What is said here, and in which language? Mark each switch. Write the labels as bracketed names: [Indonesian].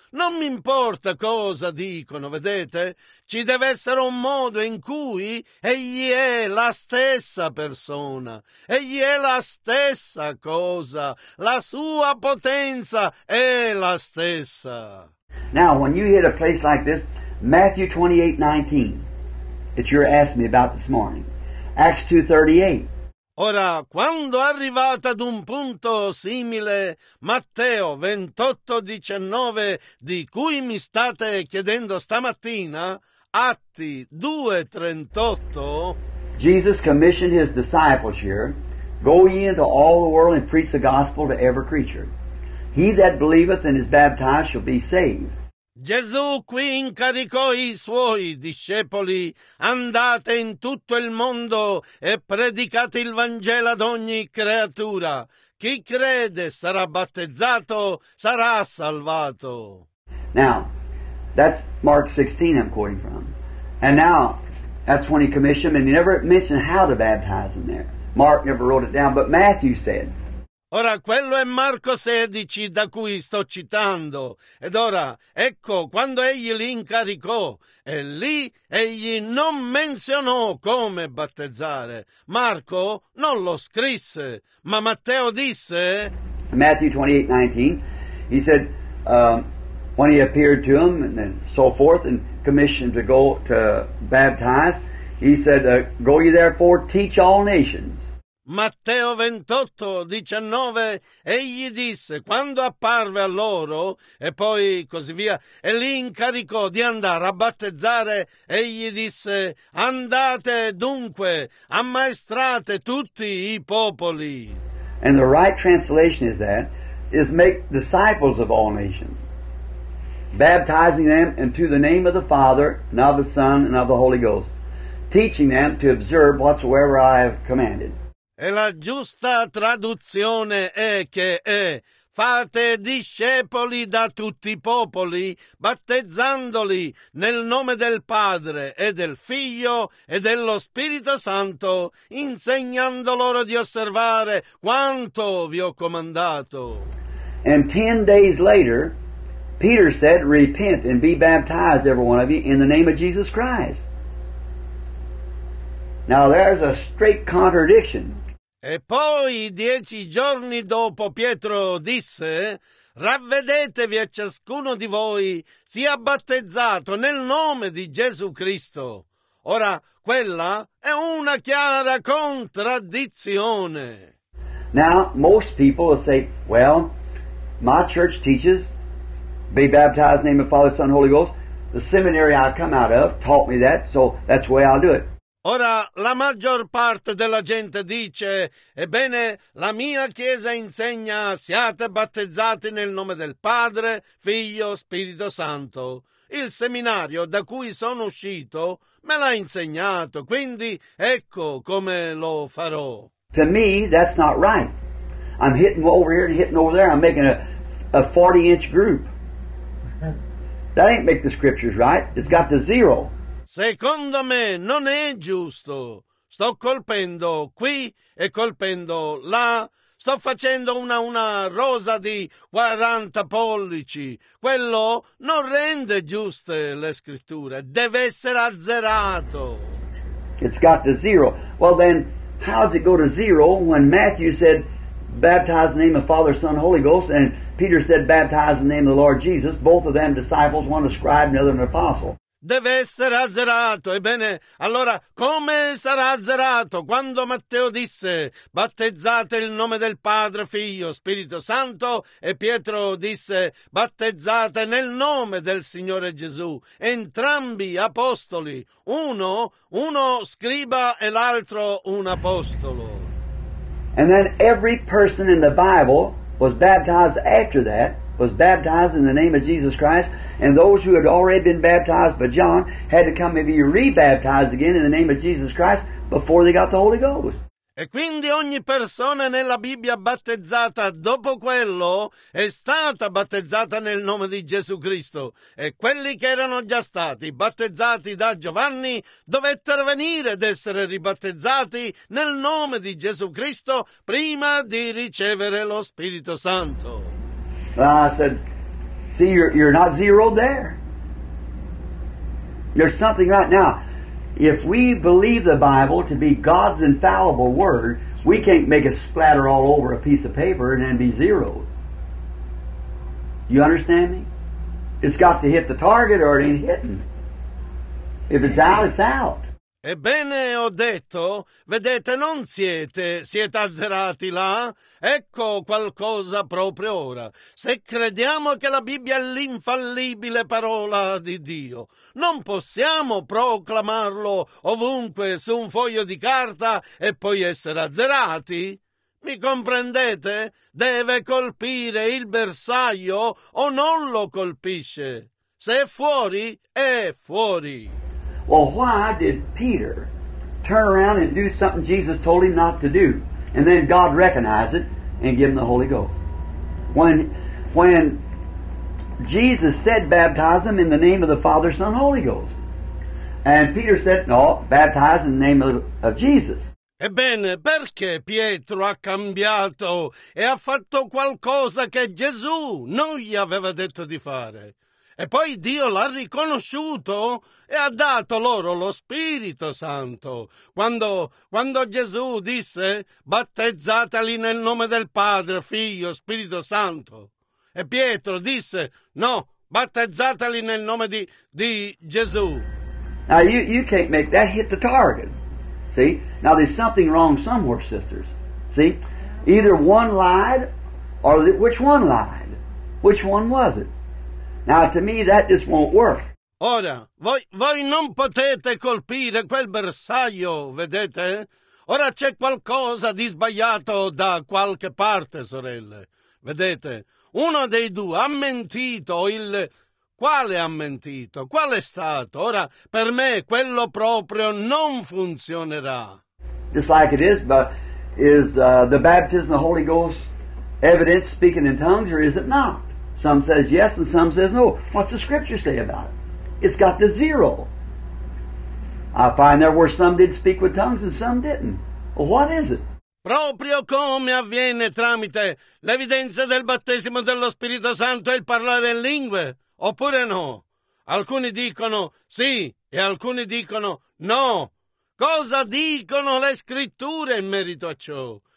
[Italian] Non mi importa cosa dicono, vedete? Ci deve essere un modo in cui egli è la stessa persona. Egli è la stessa cosa. La sua potenza è la stessa. [English] Now, when you hit a place like this, Matthew 28:19, that you're asking me about this morning, Acts 2:38. [Italian] Ora, quando arrivate ad un punto simile, Matteo 28:19, di cui mi state chiedendo stamattina, Atti 2:38. [English] Jesus commissioned his disciples here, go ye into all the world and preach the gospel to every creature. He that believeth and is baptized shall be saved. [Italian] Gesù qui incaricò i suoi discepoli, andate in tutto il mondo e predicate il Vangelo ad ogni creatura. Chi crede sarà battezzato, sarà salvato. [English] Now, that's Mark 16 I'm quoting from. And now, that's when he commissioned him, and he never mentioned how to baptize him there. Mark never wrote it down, but Matthew said. [Italian] Ora, quello è Marco 16 da cui sto citando. Ed ora, ecco, quando egli li incaricò, e lì egli non menzionò come battezzare. Marco non lo scrisse, ma Matteo disse... [English] Matthew 28:19, he said, when he appeared to him, and so forth, and commissioned to go to baptize, he said, go ye therefore, teach all nations. [Italian] Matteo 28:19, egli disse, quando apparve a loro, e poi così via, e li incaricò di andare a battezzare, egli disse, andate dunque, ammaestrate tutti i popoli. [English] And the right translation is that, is make disciples of all nations, baptizing them into the name of the Father, and of the Son, and of the Holy Ghost, teaching them to observe whatsoever I have commanded. [Italian] E la giusta traduzione è che è fate discepoli da tutti i popoli, battezzandoli nel nome del Padre e del Figlio e dello Spirito Santo, insegnando loro di osservare quanto vi ho comandato. [English] And 10 days later, Peter said, repent and be baptized, every one of you, in the name of Jesus Christ. Now there's a straight contradiction. [Italian] E poi 10 giorni dopo Pietro disse, ravvedetevi a ciascuno di voi, sia battezzato nel nome di Gesù Cristo. Ora, quella è una chiara contraddizione. [English] Now, most people will say, well, my church teaches, be baptized in the name of Father, Son, Holy Ghost. The seminary I come out of taught me that, so that's the way I'll do it. [Italian] Ora, la maggior parte della gente dice, ebbene, la mia chiesa insegna, siate battezzati nel nome del Padre, Figlio, Spirito Santo. Il seminario da cui sono uscito me l'ha insegnato, quindi ecco come lo farò. [English] To me, that's not right. I'm hitting over here and hitting over there. I'm making a 40-inch group. That ain't make the scriptures right. It's got the zero. [Italian] Secondo me non è giusto. Sto colpendo qui e colpendo là. Sto facendo una rosa di 40 pollici. Quello non rende giuste le scritture. Deve essere azzerato. [English] It's got the zero. Well, then, how does it go to zero when Matthew said, baptize in the name of Father, Son, Holy Ghost, and Peter said, baptize in the name of the Lord Jesus, both of them disciples, one a scribe, another an apostle. [Italian] Deve essere azzerato. Ebbene, allora, come sarà azzerato quando Matteo disse, battezzate il nome del Padre, Figlio, Spirito Santo, e Pietro disse, battezzate nel nome del Signore Gesù. Entrambi apostoli, uno scriba e l'altro un apostolo. [English] And then every person in the Bible was baptized after that, was baptized in the name of Jesus Christ, and those who had already been baptized by John had to come and be rebaptized again in the name of Jesus Christ before they got the Holy Ghost. [Italian] E quindi ogni persona nella Bibbia battezzata dopo quello è stata battezzata nel nome di Gesù Cristo. E quelli che erano già stati battezzati da Giovanni dovettero venire ed essere ribattezzati nel nome di Gesù Cristo prima di ricevere lo Spirito Santo. [English] Well, I said, see, you're not zeroed there. There's something right now. If we believe the Bible to be God's infallible word, we can't make it splatter all over a piece of paper and then be zeroed. You understand me? It's got to hit the target or it ain't hitting. If it's out, it's out. [Italian] Ebbene, ho detto, vedete, non siete azzerati là? Ecco qualcosa proprio ora. Se crediamo che la Bibbia è l'infallibile parola di Dio, non possiamo proclamarlo ovunque su un foglio di carta e poi essere azzerati? Mi comprendete? Deve colpire il bersaglio o non lo colpisce. Se è fuori, è fuori. [English] Well, why did Peter turn around and do something Jesus told him not to do, and then God recognize it and give him the Holy Ghost? When Jesus said, baptize him in the name of the Father, Son, Holy Ghost, and Peter said, no, baptize in the name of Jesus. [Italian] Ebbene, perché Pietro ha cambiato e ha fatto qualcosa che Gesù non gli aveva detto di fare? E poi Dio l'ha riconosciuto e ha dato loro lo Spirito Santo. Quando Gesù disse, battezzateli nel nome del Padre, Figlio, Spirito Santo. E Pietro disse, no, battezzateli nel nome di Gesù. [English] Now you can't make that hit the target. See? Now there's something wrong somewhere, sisters. See? Either one lied, or which one lied? Which one was it? Now, to me, that just won't work. [Italian] Ora, voi non potete colpire quel bersaglio, vedete? Ora c'è qualcosa di sbagliato da qualche parte, sorelle. Vedete? Uno dei due ha mentito. Quale ha mentito? Qual è stato? Ora, per me, quello proprio non funzionerà. [English] Just like it is, but is the baptism of the Holy Ghost evidence speaking in tongues, or is it not? Some says yes and some says no. What's the scripture say about it? It's got the zero. I find there were some did speak with tongues and some didn't. Well, what is it? [Italian] Proprio come avviene tramite l'evidenza del battesimo dello Spirito Santo il parlare in lingue, oppure no? Alcuni dicono sì e alcuni dicono no. Cosa dicono le scritture in merito a ciò?